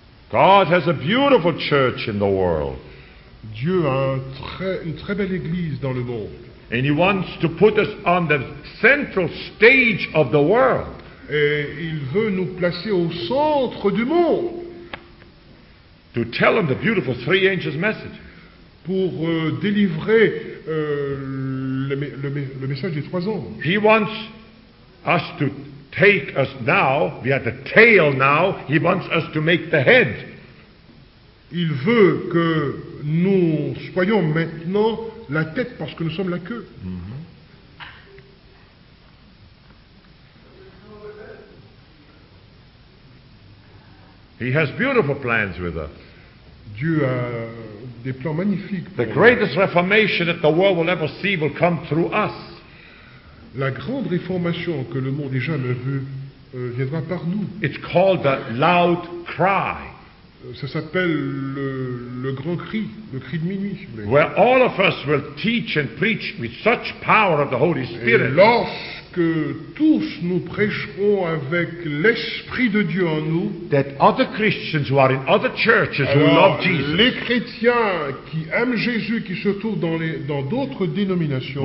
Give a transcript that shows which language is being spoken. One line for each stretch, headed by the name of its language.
English: God has a beautiful church in the world.
French: Dieu a une très belle église dans le monde.
English: And he wants to put us on the central stage of the world.
French: Et il veut nous placer au centre du monde.
English: To tell him the beautiful three angels message.
French: Pour délivrer le message des trois anges.
English: He wants us to take us now, we are the tail now, he wants us to make the head.
French: Il veut que nous soyons maintenant la tête parce que nous sommes la queue. Mm-hmm.
English: He has beautiful plans with us.
French: Dieu a des plans magnifiques.
English: The greatest reformation that the world will ever see will come through us.
French: La grande réformation que le monde ait jamais vue viendra par nous.
English: It's called the loud cry.
French: Ça s'appelle le grand cri, le cri de minuit. Si vous voulez.
English: Where all of us will teach and preach with such power of the Holy Spirit.
French: Et lorsque tous nous prêcherons avec l'Esprit de Dieu en nous.
English: That other Christians who are in other churches who love Jesus.
French: Les chrétiens qui aiment Jésus, qui se trouvent dans d'autres dénominations.